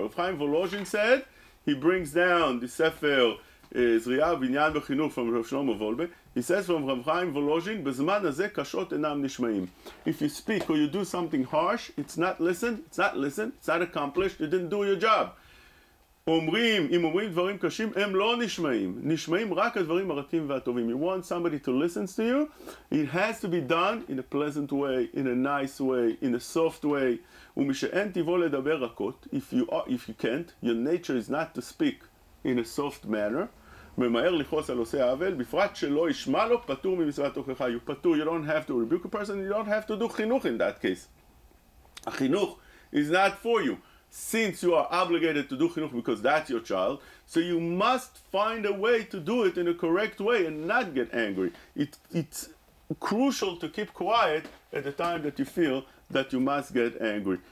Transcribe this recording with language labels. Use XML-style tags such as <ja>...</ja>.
<en>Rav Chaim Volozhin said, he brings down the Sefer Zriya Binyan B'chinuch from Rav Shlomo Volbe. He says from Rav Chaim Volozhin,</en> <he>"Bezman hazeh kashot enam nishmaim."</he> <en>If you speak or you do something harsh, it's not listened, it's not accomplished, you didn't do your job.</en> <he>אומרים, אם אומרים דברים קשים, הם לא נשמעים. נשמעים רק הדברים הרכים והטובים.</he> <en>You want somebody to listen to you? It has to be done in a pleasant way, in a nice way, in a soft way.</en> <he>ומשאין תבוא לדבר רכות,</he> <en>if you can't, your nature is not to speak in a soft manner.</en> <he>ממהר לכעוס על עושה עוול, בפרט שלא ישמע לו, פטור ממצוות תוכחה.</he> <en>You פטור, you don't have to rebuke a person, you don't have to do חינוך in that case. החינוך is not for you. Since you are obligated to do chinuch because that's your child, so you must find a way to do it in a correct way and not get angry. It's crucial to keep quiet at the time that you feel that you must get angry.</en>